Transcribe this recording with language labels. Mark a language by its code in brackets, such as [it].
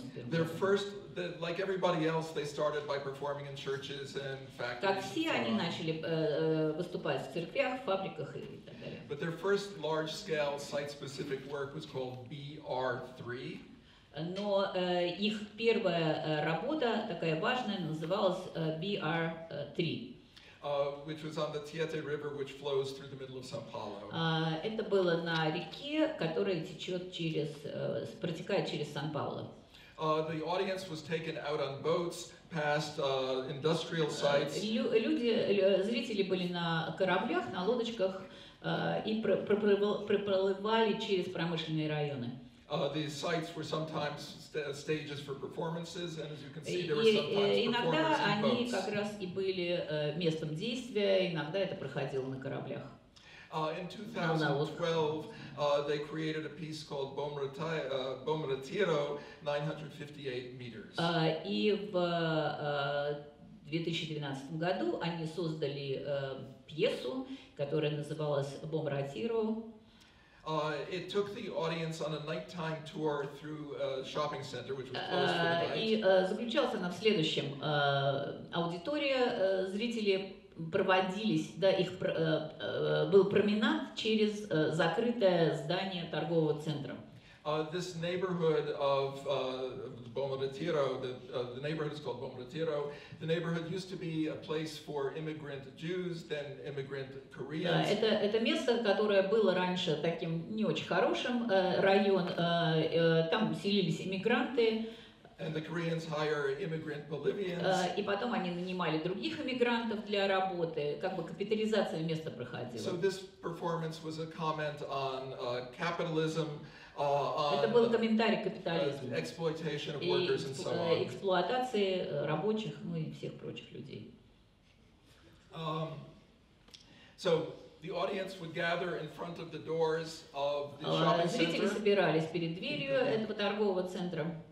[en] Their first, like everybody else, they started by performing in churches and factories. [ru] Как все они начали выступать в церквях, фабриках и так далее. [en] But their first large-scale site-specific work was called BR3. [ru] Но их первая работа, такая важная, называлась BR3. [en] Which was on the Tietê River, which flows through the middle of São Paulo. [ru] Это было на реке, которая течет через, протекает через Сан-Пауло. [en] The audience was taken out on boats past industrial sites. [ru] Люди, зрители были на кораблях, на лодочках, и проплывали через промышленные районы. [en] These sites were sometimes stages for performances, and as you can see, there were sometimes performances in boats. [ru] Иногда они как раз и были местом действия, иногда это проходило на кораблях. [en] In 2012, they created a piece called Bom Retiro, 958 meters. [ru] И в 2012 году они создали пьесу, которая называлась Bom Retiro. [en] It took the audience on a nighttime tour through a shopping center, which was closed for the night. [ru] И заключался она в следующем. Аудитория, зрители проводились, да, их был променад через закрытое здание торгового центра. [en] This neighborhood of Bom Retiro, the neighborhood is called Bom Retiro. The neighborhood used to be a place for immigrant Jews, then immigrant Koreans. [ru] Да, это место, которое было раньше таким не очень хорошим район. Там селились иммигранты. [en] And the Koreans hire immigrant Bolivians. [ru] И потом они нанимали других иммигрантов для работы, как бы капитализация места проходила. [en] So this performance was a comment on capitalism. [ru] Это был комментарий к капитализму, [en] exploitation of workers and so on. [ru] Эксплуатации рабочих, ну и всех прочих людей. [en] So the audience would gather in front of the doors of the shopping center. [ru] Зрители собирались перед дверью этого торгового центра.